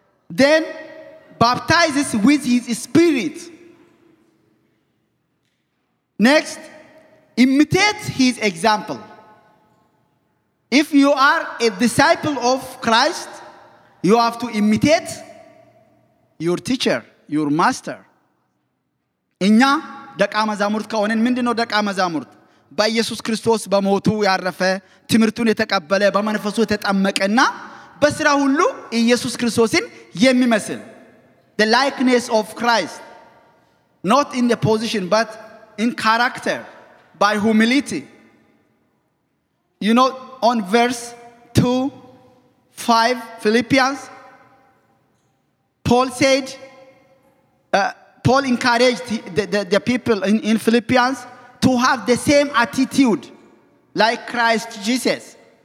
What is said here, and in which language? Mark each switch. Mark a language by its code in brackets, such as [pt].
[en] Then, baptizes with his spirit. Next, imitate his example. If you are a disciple of Christ, you have to imitate your teacher. Your master. [am] እኛ ደቃ መዛሙርት ከሆነን ምንድነው ደቃ መዛሙርት? በኢየሱስ ክርስቶስ በሞቱ ያረፈ ትምርቱን የተቀበለ በመንፈሱ የተጠመቀና በስራ ሁሉ ኢየሱስ ክርስቶስን የሚመስል. [en] The likeness of Christ. Not in the position but in character by humility. You know, on verse 2, 5, Philippians, Paul said, Paul encouraged the people in Philippians to have the same attitude like Christ Jesus.